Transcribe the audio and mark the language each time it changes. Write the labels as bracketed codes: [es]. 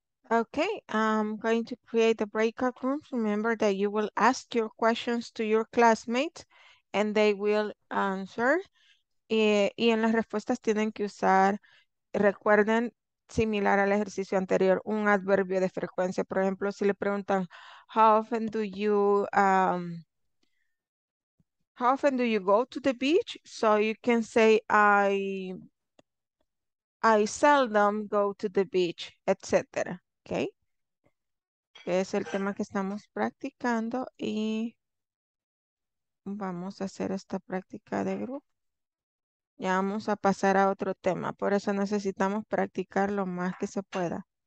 [en] Okay, I'm going to create a breakout room. Remember that you will ask your questions to your classmates and they will answer. [es] Y en las respuestas tienen que usar, recuerden, similar al ejercicio anterior, un adverbio de frecuencia. Por ejemplo, si le preguntan, [en] how often do you go to the beach? So you can say, I seldom go to the beach, etc. [es] Okay, que es el tema que estamos practicando y vamos a hacer esta práctica de grupo. Ya vamos a pasar a otro tema, por eso necesitamos practicar lo más que se pueda.